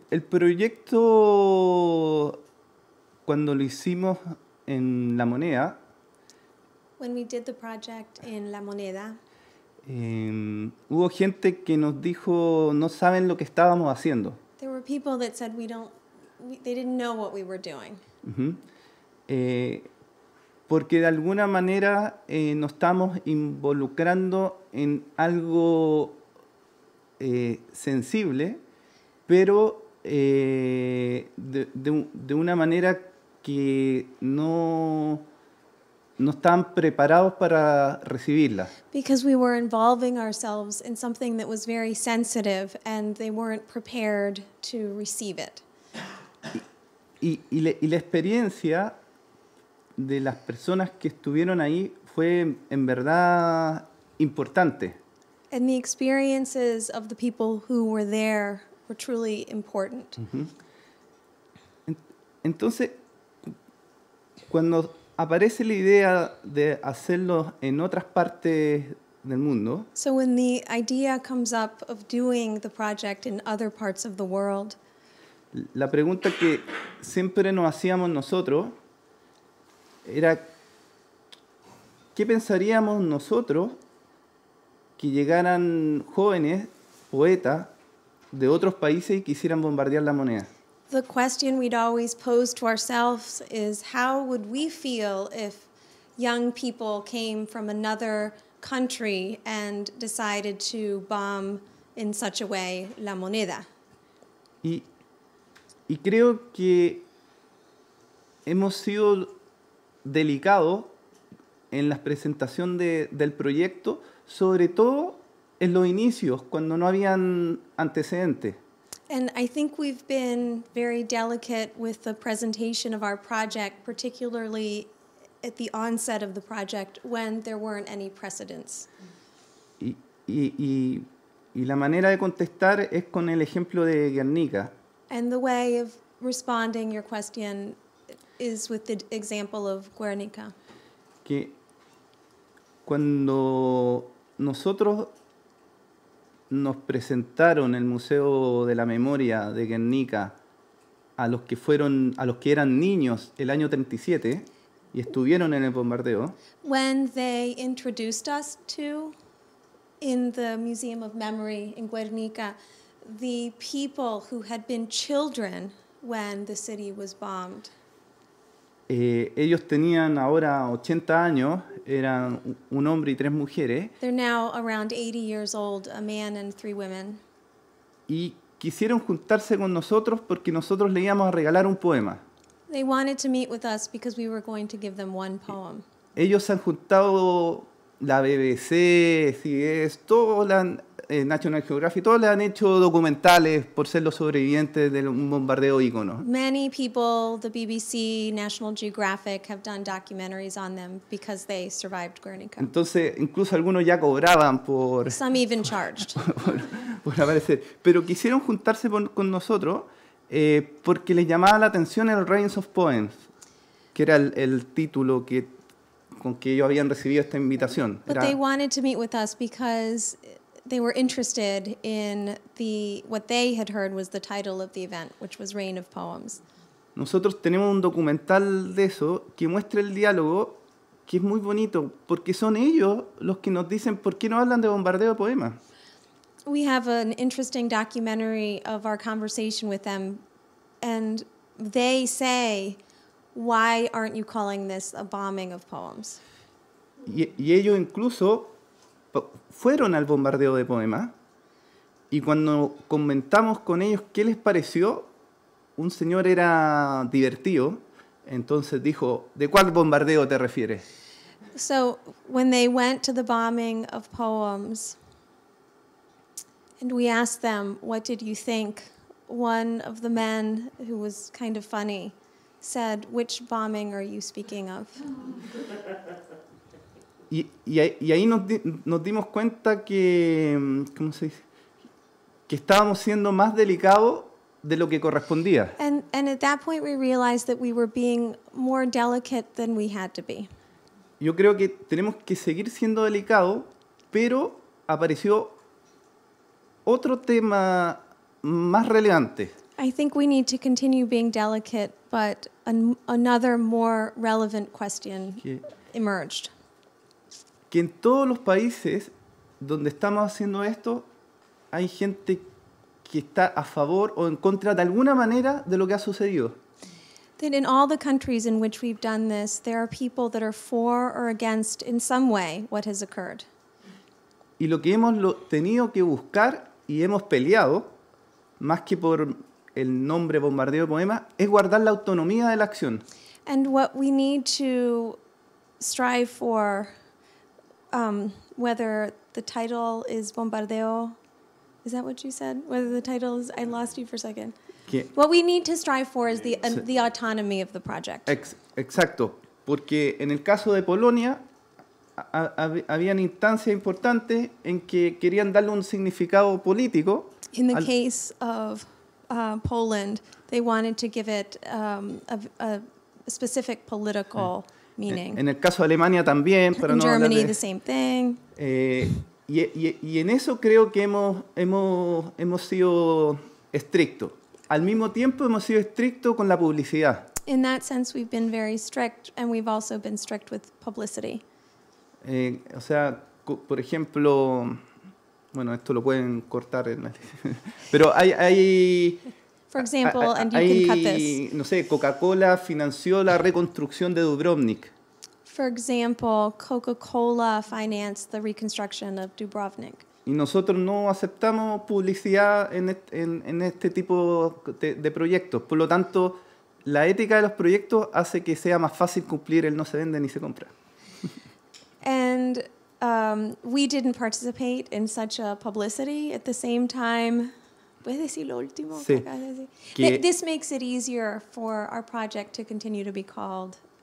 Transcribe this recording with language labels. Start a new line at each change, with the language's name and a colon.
Spanish: El proyecto cuando lo hicimos en La Moneda.
English: When we did the project in La Moneda,
Spanish: hubo gente que nos dijo no saben lo que estábamos haciendo.
English: There were people that said we don't they didn't know what we were doing. Mm-hmm.
Spanish: Porque de alguna manera nos estamos involucrando en algo sensible, pero de una manera que no están preparados para recibirla.
English: Because we were involving ourselves in something that was very sensitive and they weren't prepared to receive it.
Spanish: Y la experiencia de las personas que estuvieron ahí fue en verdad importante.
English: And the experiences of the people who were there were truly important. Uh-huh.
Spanish: Entonces, cuando aparece la idea de hacerlo en otras partes del mundo.
English: So when the idea comes up of doing the project in other parts of the world.
Spanish: La pregunta que siempre nos hacíamos nosotros era, ¿qué pensaríamos nosotros que llegaran jóvenes poetas de otros países y quisieran bombardear la moneda?
English: The question we'd always pose to ourselves is, how would we feel if young people came from another country and decided to bomb in such a way la moneda?
Spanish: Y creo que hemos sido delicado en la presentación del proyecto, sobre todo en los inicios, cuando no habían antecedentes.
English: And I think we've been very delicate with the presentation of our project, particularly at the onset of the project, when there weren't any precedents.
Spanish: Y la manera de contestar es con el ejemplo de Guernica.
English: And the way of responding your question is with the example of Guernica.
Spanish: Que cuando nosotros nos presentaron el Museo de la Memoria de Guernica a los que eran niños el año 37 y estuvieron en el bombardeo.
English: When they introduced us to in the Museum of Memory in Guernica, the people who had been children when the city was bombed.
Spanish: Ellos tenían ahora 80 años, eran un hombre y tres mujeres.
English: They're now around 80 years old, a man and three women.
Spanish: Y quisieron juntarse con nosotros porque nosotros le íbamos a regalar un poema.
English: They wanted to meet with us because we were going to give them one poem.
Spanish: Ellos se han juntado la BBC, CBS, todo la National Geographic, todos le han hecho documentales por ser los sobrevivientes de un bombardeo ícono.
English: Many people, the BBC, National Geographic, have done documentaries on them because they survived Guernica.
Spanish: Entonces, incluso algunos ya cobraban por... Some even charged. Por aparecer. Pero quisieron juntarse con nosotros porque les llamaba la atención el Rains of Poems, que era el título que con que ellos habían recibido esta invitación.
English: But they wanted to meet with us because they were interested in what they had heard was the title of the event, which was Rain of Poems.
Spanish: Nosotros tenemos un documental de eso que muestra el diálogo, que es muy bonito, porque son ellos los que nos dicen por qué no hablan de bombardeo de poemas.
English: We have an interesting documentary of our conversation with them, and they say, why aren't you calling this a bombing of poems?
Spanish: Y ellos incluso fueron al bombardeo de poemas y cuando comentamos con ellos qué les pareció, un señor era divertido, entonces dijo, ¿de cuál bombardeo te refieres?
English: So, when they went to the bombing of poems and we asked them, what did you think? One of the men, who was kind of funny, said, which bombing are you speaking of?
Spanish: Y ahí nos dimos cuenta que, ¿cómo se dice? Que estábamos siendo más delicados de lo que correspondía.
English: And at that point we realized that we were being more delicate than we had to be.
Spanish: Yo creo que tenemos que seguir siendo delicados, pero apareció otro tema más relevante.
English: I think we need to continue being delicate, but another more relevant question emerged.
Spanish: Que en todos los países donde estamos haciendo esto hay gente que está a favor o en contra de alguna manera de lo que ha sucedido.
English: Then in all the countries in which we've done this, there are people that are for or against in some way what has occurred.
Spanish: Y lo que hemos tenido que buscar y hemos peleado, más que por el nombre bombardeo poema, es guardar la autonomía de la acción.
English: And what we need to strive for, whether the title is bombardeo, is that what you said? Whether the title is, I lost you for a second.
Spanish: ¿Qué?
English: What we need to strive for is the autonomy of the project.
Spanish: Exacto, porque en el caso de Polonia, habían instancias importantes en que querían darle un significado político.
English: In the case of Poland, they wanted to give it a specific political meaning.
Spanish: En el caso de Alemania también, pero
English: in no Germany, the same thing.
Spanish: Y en eso creo que hemos sido estrictos. Al mismo tiempo hemos sido estrictos con la publicidad.
English: In that sense, we've been very strict, and we've also been strict with publicity.
Spanish: O sea, por ejemplo, bueno, esto lo pueden cortar, en la, pero hay
English: for example, and you can cut this.
Spanish: No sé, Coca-Cola financió la reconstrucción de Dubrovnik.
English: For example, Coca-Cola financed the reconstruction of Dubrovnik.
Spanish: Y nosotros no aceptamos publicidad en este tipo de proyectos. Por lo tanto, la ética de los proyectos hace que sea más fácil cumplir el no se vende ni se compra.
English: And we didn't participate in such a publicity at the same time.
Spanish: ¿Puedes decir lo último? Sí.
English: This makes it easier for our project to continue to be called.